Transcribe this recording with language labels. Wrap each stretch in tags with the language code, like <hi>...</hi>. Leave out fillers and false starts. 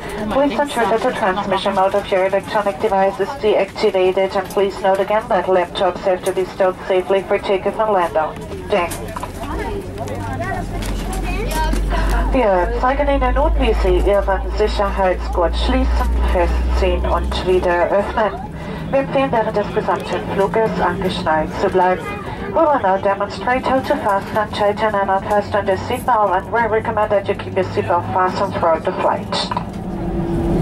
<en>Please ensure that the transmission mode of your electronic device is deactivated and please note again that laptops have to be stowed safely for takeoff and landing. Dang.</en> <de>Wir zeigen Ihnen nun, wie Sie Ihren Sicherheitsgurt schließen, festziehen und wieder öffnen. Wir empfehlen während des gesamten Fluges angeschnallt zu bleiben.</de> <en>We will now demonstrate how to fasten and tighten and unfasten the seatbelt, and we recommend that you keep your seatbelt fastened throughout the flight.</en>